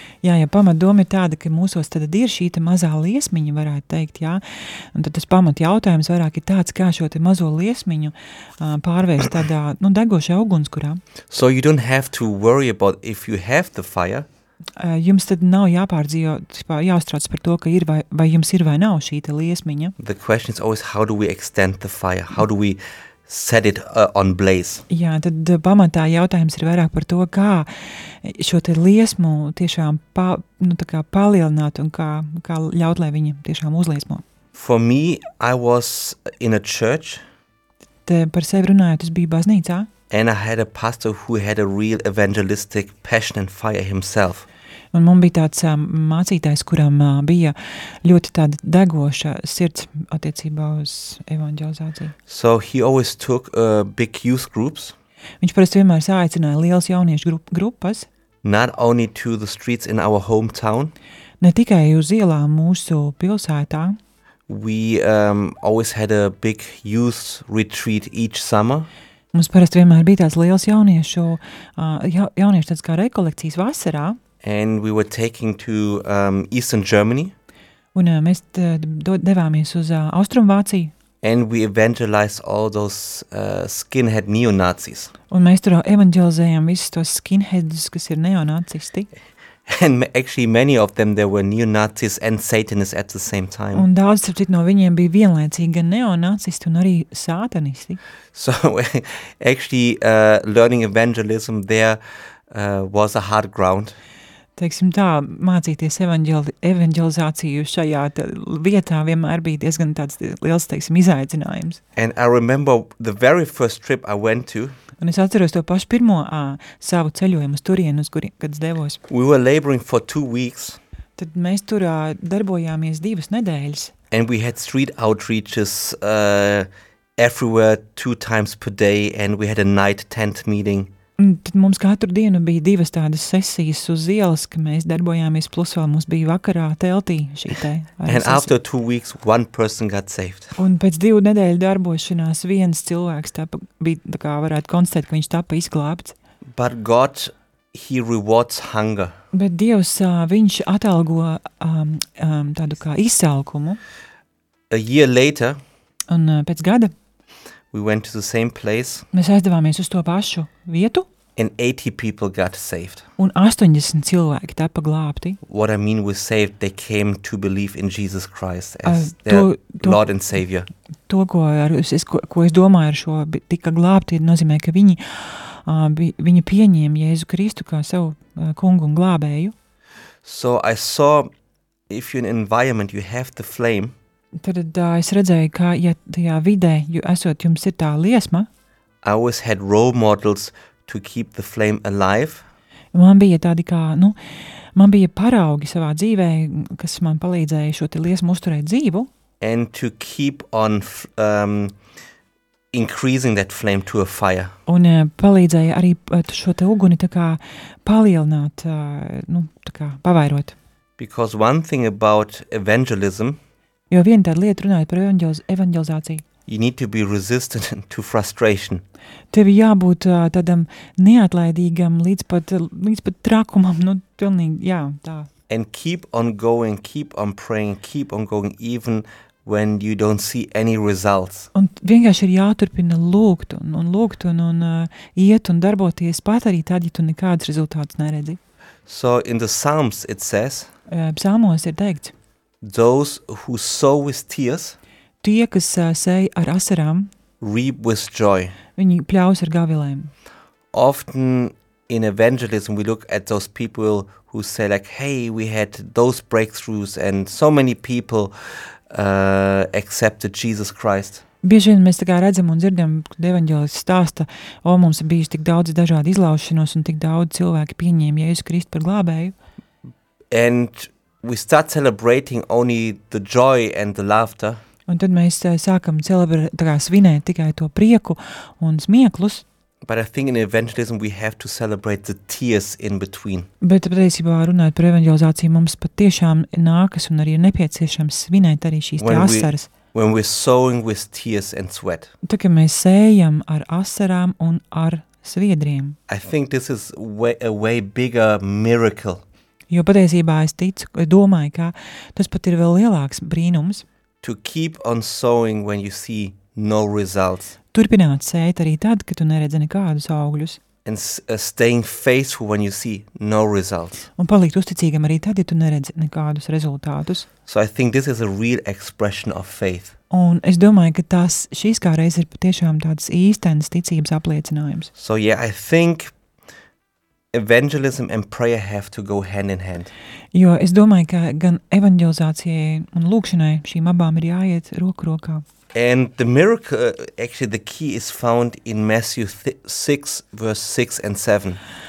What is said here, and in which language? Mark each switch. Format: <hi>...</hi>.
<lv>Jā, ja pamat doma ir tāda, ka mūsos tad ir šī te mazā liesmiņa, varētu teikt, jā. Un tad tas pamat jautājums vairāk ir tāds, kā šo te mazo liesmiņu pārvērst tādā, nu, degošā ugunskurā.</lv> <en>So you don't have to worry about if you have the fire.</en> <lv>Jums tad nav jāpārdzīvo, jāuztrauc par to, ka ir vai jums ir vai nav šī te liesmiņa.</lv> <en>The question is always how do we extend the fire? How do we set it on blaze?</en> <lv>Jā, tad pamatā jautājums ir vairāk par to, kā šo te liesmu tiešām nu, tā kā palielināt un kā ļaut, lai viņa tiešām uzliesmo.</lv> <en>For me, I was in a church.</en> <lv>Te par sevi runājot, es biju baznīcā.</lv> <en>And I had a pastor who had a real evangelistic passion and fire himself.</en> <lv>Un man bija tāds mācītājs, kuram bija ļoti tāda degoša sirds attiecībā uz evanģelizāciju.</lv> <en>So he always took big youth groups.</en> <lv>Viņš parasti vienmēr saicināja lielas jauniešu grupas.</lv> <en>Not only to the streets in our hometown.</en> <lv>Ne tikai uz ielām mūsu pilsētā.</lv> <en>We always had a big youth retreat each summer.</en> <lv>Mums parasti vienmēr bija tāds liels jauniešu tāds kā rekolekcijas vasarā.</lv> <en>And we were taking to Eastern Germany.</en> <lv>Un mēs devāmies uz Austrumvāciju.</lv> <en>And we evangelized all those skinhead neo-nazis.</en> <lv>Un mēs tur evangelizējām visus tos skinheads, kas ir neonacisti.</lv> <en>And actually many of them there were neo-nazis and satanists at the same time.</en> <lv>Un daudz citu no viņiem bija vienlaicīgi gan neonacisti un arī satanisti.</lv> <en>So actually learning evangelism there was a hard ground.</en> <lv>Teiksim tā, mācīties evanģelizāciju šajā vietā vienmēr bija diezgan tāds liels, teiksim, izaicinājums.</lv> <en>And I remember the very first trip I went to.</en> <lv>Un es atceros to pašu pirmo savu ceļojumu uz turienu, uz kuri, kad es devos.</lv> <en>We were laboring for 2 weeks.</en> <lv>Tad mēs tur darbojāmies 2 nedēļas.</lv> <en>And we had street outreaches everywhere 2 times per day and we had a night tent meeting.</en> <lv>Tad mums katru dienu bija 2 tādas sesijas uz ielas, ka mēs darbojāmies, plus vēl mums bija vakarā teltī šī te.</lv> <en>And after 2 weeks, one person got saved.</en> <lv>Un pēc 2 nedēļu darbošanās viens cilvēks tapa, bija, tā kā varētu konstatēt, ka viņš tapa izglābts.</lv> <en>But God, he rewards hunger.</en> <lv>Bet Dievs, viņš atalgo tādu kā izsalkumu.</lv> <en>A year later.</en> <lv>Un pēc gada.</lv> <en>We went to the same place.</en> <lv>Mēs aizdevāmies uz to pašu vietu.</lv> <en>And 80 people got saved.</en> <lv>Un 80 cilvēki tapa glābti.</lv> <en>What I mean with saved, they came to believe in Jesus Christ as their Lord and Savior.</en> <lv>To, ko es domāju ar šo, tika glābti, nozīmē, ka viņi pieņēma Jēzu Kristu kā savu kungu un glābēju.</lv> <en>So I saw, if you're in an environment, you have the flame.</en> <lv>Tad es redzēju, ka ja tajā vidē, jo esot, jums ir tā liesma.</lv> <en>I always had role models to keep the flame alive.</en> <lv>Man bija tādi kā, nu, man bija paraugi savā dzīvē, kas man palīdzēja šo te liesmu uzturēt dzīvu.</lv> <en>And to keep on increasing that flame to a fire.</en> <lv>Un palīdzēja arī šo te uguni tā kā palielināt, nu, tā kā pavairot.</lv> <en>Because one thing about evangelism.</en> <lv>Jo viena tāda lieta runāja par evanģelizāciju.</lv> <en>You need to be resistant to frustration.</en> <lv>Tev jābūt tādam neatlaidīgam līdz pat trakumam, nu, pilnīgi, jā, tā.</lv> <en>And keep on going, keep on praying, keep on going even when you don't see any results.</en> <lv>Un vienkārši ir jāturpina lūgt un iet un darboties pat arī tad, ja tu nekādas rezultātas neredzi.</lv> <en>So in the Psalms it says.</en> <lv>Psalmos ir teikts.</lv> <en>Those who sow with tears,</en> <lv>tie, kas sēj ar asarām,</lv> <en>reap with joy.</en> <lv>Viņi pļaus ar gavilēm.</lv> <en>Often in evangelism we look at those people who say like, hey, we had those breakthroughs and so many people accepted Jesus Christ.</en> <lv>Bieži vien mēs tā kā redzam un dzirdam, kad evaņģēlis stāsta, o, mums ir bijis tik daudz dažādu izlaušanos un tik daudz cilvēki pieņēma Jēzus Kristu par glābēju.</lv> <en>And we start celebrating only the joy and the laughter.</en> <lv>Un tad mēs sākam celebrēt, tā kā svinēt tikai to prieku un smieklus.</lv> <en>But I think in evangelism we have to celebrate the tears in between.</en> <lv>Bet patiesībā runāt par evanģelizāciju mums patiešām nākas un arī ir nepieciešams svinēt arī šīs tie asaras.</lv> <en>When we're sowing with tears and sweat.</en> <lv>Tā kā mēs sējam ar asarām un ar sviedriem.</lv> <en>I think this is a way bigger miracle.</en> <lv>Jo patiesībā es ticu, domāju, ka tas pat ir vēl lielāks brīnums.</lv> <en>To keep on sowing when you see no results.</en> <lv>Turpināt sēt arī tad, kad tu neredzi nekādus augļus.</lv> <en>And staying faithful when you see no results.</en> <lv>Un palikt uzticīgam arī tad, ja tu neredzi nekādus rezultātus.</lv> <en>So I think this is a real expression of faith.</en> <lv>Un es domāju, ka tas šīs kāreiz ir patiešām tāds īstens ticības apliecinājums.</lv> <en>So yeah, I think evangelism and prayer have to go hand in hand.</en> <lv>Jo es domāju, ka gan evanģelizācijai un lūkšanai šīm abām ir jāiet roku rokā.</lv> <en>And the miracle, actually the key is found in Matthew 6, verse 6 and 7.</en>